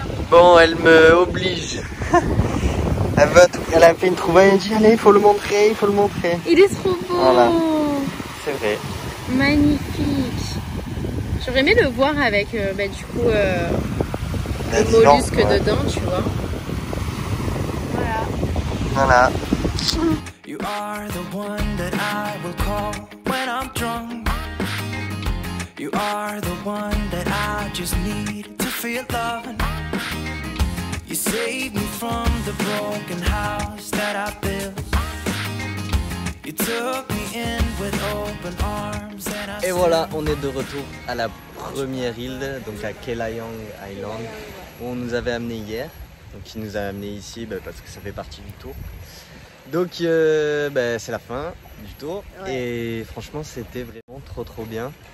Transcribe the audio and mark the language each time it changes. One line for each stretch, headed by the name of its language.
French: Bon, elle me oblige. Elle a fait une trouvaille, elle dit allez, il faut le montrer, il faut le montrer. Il est trop beau. Voilà. C'est vrai. Magnifique. J'aurais aimé le voir avec les mollusques dedans, tu vois. Voilà.
English: You are the one that I will call when I'm drunk. You are the one that I just need to feel love. You saved me from the broken house that I built. You took me in with open arms and I.
French: Et voilà, on est de retour à la première île, donc à Kelayang Island, où on nous avait amené hier. Donc il nous a amené ici parce que ça fait partie du tour. Donc c'est la fin du tour. Ouais. Et franchement, c'était vraiment trop trop bien.